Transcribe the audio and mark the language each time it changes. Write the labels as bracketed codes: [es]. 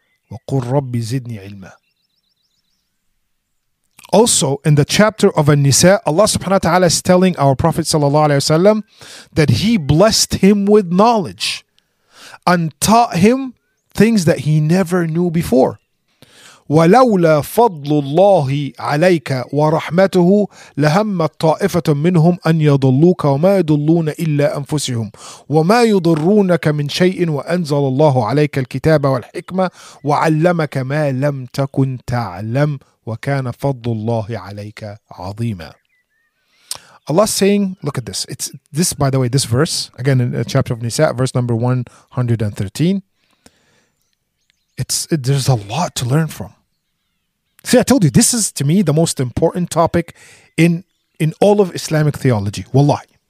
[ar] وَقُلْ رَبِّ زِدْنِي عِلْمًا. [en] Also, in the chapter of An-Nisa, Allah subhanahu wa ta'ala is telling our Prophet sallallahu alayhi wa sallam that he blessed him with knowledge and taught him things that he never knew before. [ar] ولولا فضل الله عليك ورحمته لهم الطائفة منهم أن يضلوك وما يضلون إلا أنفسهم وما يضرونك من شيء وأنزل الله عليك الكتاب والحكمة وعلمك ما لم تكن تعلم وكان فضل الله عليك عظيما. [en] Allah is saying, look at this. It's this, by the way, this verse, again in a chapter of Nisa, verse number 113. There's a lot to learn from. See, I told you, this is to me the most important topic in all of Islamic theology. Wallahi.